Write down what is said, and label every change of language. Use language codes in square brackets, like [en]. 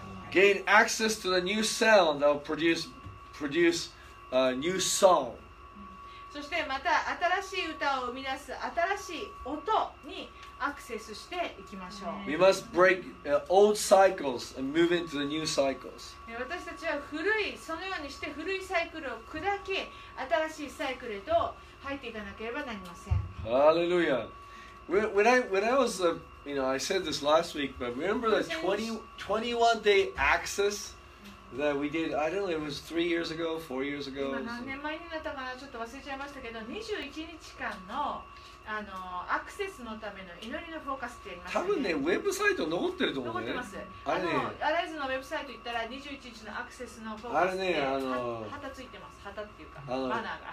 [en] Gain access to the new cell that will produce a new song. [ja] そしてまた新しい歌を生み出す新しい音にアクセスしていきましょう。 [en] We must break old cycles and move into the new cycles. [ja] 私たちは古い、そのようにして古いサイクルを砕き、新しいサイクルへと入っていかなければなりません。 [en] Hallelujah. When I was aYou know, I said this last week, but remember the 21 day access that we did? I don't know, it was 3 years ago, 4 years ago. [ja] 今何年前になったかな、ちょっと忘れちゃいましたけど、21日間の、アクセスのための祈りのフォーカスってやりましたね。多分ね、ウェブサイト残ってると思うね。残ってます。あれね、アライズのウェブサイト行ったら、21日のアクセスのフォーカスって、あれね、旗ついてます。旗っていうか、バナーが。